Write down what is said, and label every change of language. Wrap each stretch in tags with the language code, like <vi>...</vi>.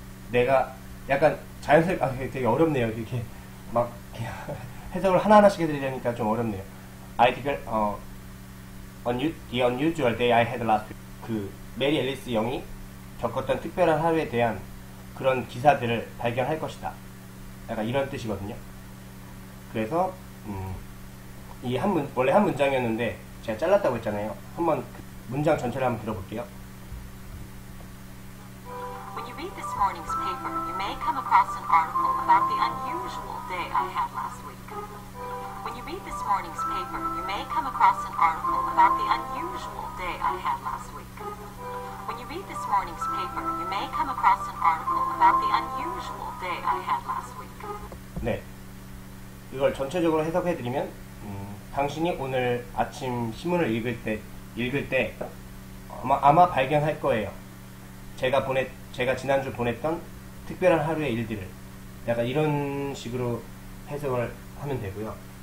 <ko>내가 약간 자연스럽게 되게 어렵네요. 이렇게 막 해석을 하나하나씩 해드리려니까 좀 어렵네요.</ko> <en>article, the unusual day I had last week.</en> <ko>그 메리 앨리스 영이 겪었던 특별한 하루에 대한 그런 기사들을 발견할 것이다. 약간 이런 뜻이거든요. 그래서 이 원래 한 문장이었는데 제가 잘랐다고 했잖아요. 한번 그 문장 전체를 한번 들어볼게요.</ko> <en>When you read this morning's paper, you may come across an article about the unusual day I had last week. When you read this morning's paper, you may come across an article about the unusual day I had last week. When you read this morning's paper, you may come across an article about the unusual day I had last week.</en> <ko>네, 이걸 전체적으로 해석해드리면 당신이 오늘 아침 신문을 읽을 때 아마 발견할 거예요. 제가 지난주 보냈던 특별한 하루의 일들을 약간 이런 식으로 해석을 하면 되고요.</ko>